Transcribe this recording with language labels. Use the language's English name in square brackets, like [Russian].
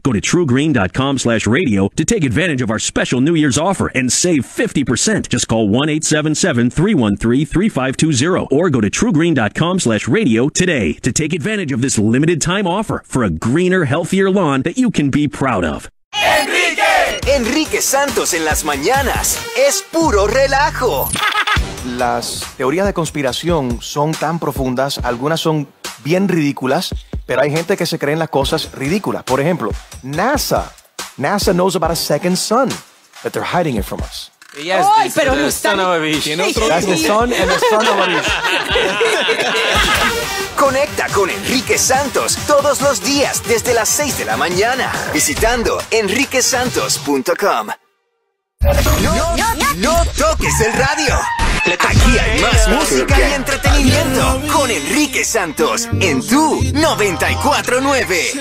[English] Go to truegreen.com/radio to take advantage of our special New Year's offer and save 50%. Just call 1-877-313-3520 or go to truegreen.com/radio today to take advantage of this limited-time offer for a greener, healthier lawn that you can be proud of. [Spanish] Enrique! Enrique Santos en las mañanas es puro relajo. Las teorías de conspiración son tan profundas, algunas son bien ridículas, pero hay gente que se cree en las cosas ridículas. Por ejemplo, NASA. [English] NASA knows about a second sun, but they're hiding it from us. Yes, oy, this, [Spanish] pero [English] the sun of a bitch. That's the sun and the sun of a bitch. [Spanish] Conecta con Enrique Santos todos los días desde las 6 de la mañana visitando enriquesantos.com. No toques el radio. Aquí hay más música y entretenimiento con Enrique Santos en Tu 94.9.